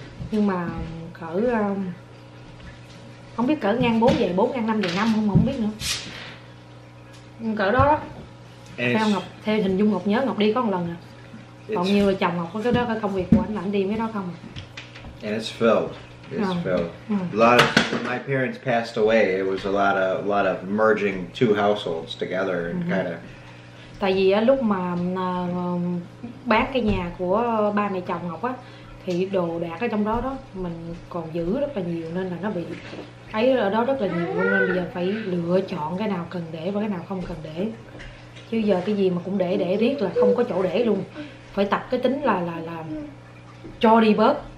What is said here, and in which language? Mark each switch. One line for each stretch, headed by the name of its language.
Vietnamese: Nhưng mà cỡ không biết cỡ ngang 4 dày 4, ngang 5 dày 5 không, không biết nữa. Cỡ đó đó. Theo Ngọc, theo hình dung Ngọc nhớ Ngọc đi có một lần à. Còn nhiều là chồng Ngọc có cái đó, cái công việc của anh là anh đi mấy đó không à.
English: And it's filled. It's filled. A lot of, when my parents passed away, it was a lot of merging two households together and kind of.
Vietnamese: Tại vì á, lúc mà bán cái nhà của ba mẹ chồng Ngọc á, thì đồ đạc ở trong đó đó mình còn giữ rất là nhiều, nên là nó bị ấy ở đó rất là nhiều, nên bây giờ phải lựa chọn cái nào cần để và cái nào không cần để. Chứ giờ cái gì mà cũng để riết là không có chỗ để luôn. Phải tập cái tính là cho đi bớt.